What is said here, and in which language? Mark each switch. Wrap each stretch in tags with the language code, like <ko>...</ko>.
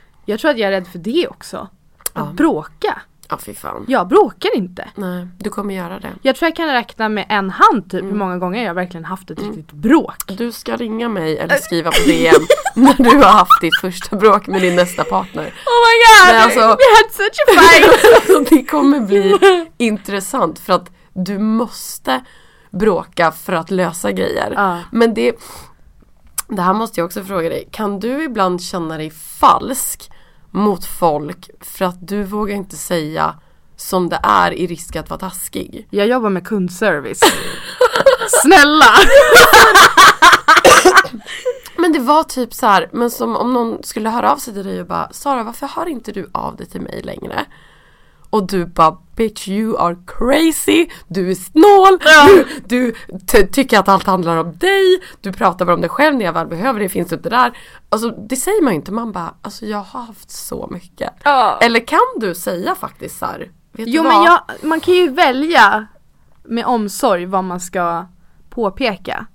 <sv>Jag tror att jag är rädd för det också. Att bråka. Ja, fy fan. Jag bråkar inte. Nej, du kommer göra det. Jag tror jag kan räkna med en hand typ hur många gånger jag verkligen haft ett riktigt bråk. Du ska ringa mig eller skriva på DM när du har haft ditt första bråk med din nästa partner.</sv> <en>Oh my god,</en> <sv>alltså,</sv> <en>we had such a fight.</en> <sv>Det kommer bli intressant, för att du måste bråka för att lösa grejer. Men det, det här måste jag också fråga dig. Kan du ibland känna dig falsk mot folk för att du vågar inte säga som det är i risk att vara taskig? Jag jobbar med kundservice. Snälla! Men det var typ så här, men som om någon skulle höra av sig till dig och bara, Sara, varför hör inte du av dig till mig längre? Och du bara,</sv> <en>bitch, you are crazy.</en> <sv>Du är snål. Du tycker att allt handlar om dig. Du pratar bara om dig själv när jag väl behöver det. Finns det inte där? Alltså, det säger man ju inte. Man bara, alltså jag har haft så mycket. Eller kan du säga faktiskt så här? Vet jo, du vad? Men man kan ju välja med omsorg vad man ska påpeka.</sv>